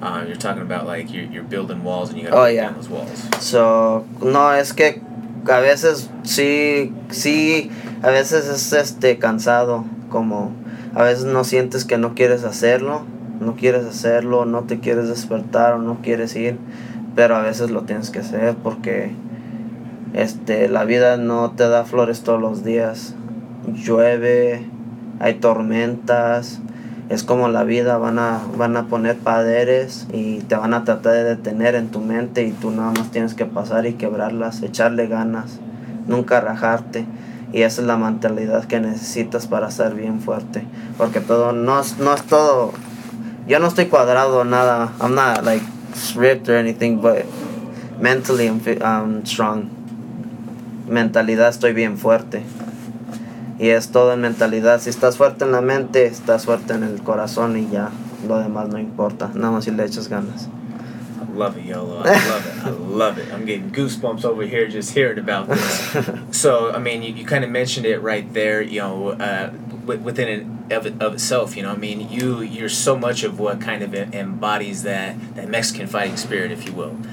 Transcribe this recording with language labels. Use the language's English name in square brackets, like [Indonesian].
[English] You're talking about, like, you're building walls and you gotta break down those walls. [Spanish] So, no, es que a veces sí, a veces es cansado. Como a veces no sientes que no quieres hacerlo, no te quieres despertar o no quieres ir. Pero a veces lo tienes que hacer porque la vida no te da flores todos los días. Llueve, hay tormentas. Es como la vida, van a poner paredes y te van a tratar de detener en tu mente, y tú nada más tienes que pasar y quebrarlas, echarle ganas, nunca rajarte. Y esa es la mentalidad que necesitas para ser bien fuerte. Porque todo, no es todo, yo no estoy cuadrado, nada, [English] I'm not like ripped or anything, but mentally I'm strong. [Spanish] Mentalidad, estoy bien fuerte. Y es todo en mentalidad. Si estás fuerte en la mente, estás fuerte en el corazón, y ya lo demás no importa. Nada más si le echas ganas. [English] I love it, Yolo. I love it. I'm getting goosebumps over here just hearing about this. So, I mean, you kind of mentioned it right there. You know, within it of itself, you know. I mean, you're so much of what kind of embodies that Mexican fighting spirit, if you will.